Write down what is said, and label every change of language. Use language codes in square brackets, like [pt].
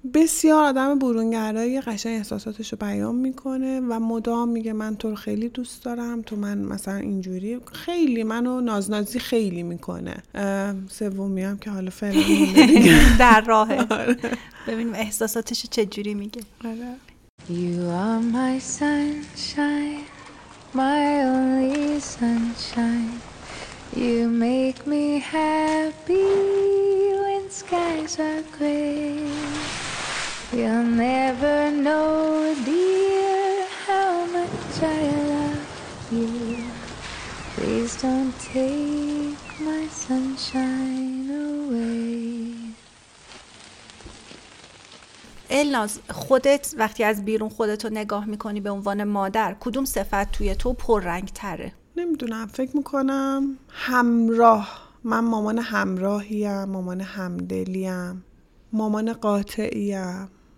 [fa] بسیار آدم برونگرایی، قشنگ احساساتشو بیان میکنه و مدام میگه من تو رو خیلی دوست دارم، تو من مثلا اینجوری، خیلی منو نازنازی خیلی میکنه. سومی هم که حالا فعلا در راهه. ببینیم احساساتشو چه جوری میگه. [en] You are my sunshine, my only sunshine. You make me happy when skies are gray. You'll never know, dear, how much I love you. Please don't take my sunshine away. [fa] الناز، خودت وقتی از بیرون خودتو نگاه میکنی به عنوان مادر، کدوم صفت توی تو پررنگ تره؟ نمیدونم، فکر میکنم همراه. من مامان همراهیم، مامان همدلیم، مامان قاطعیم.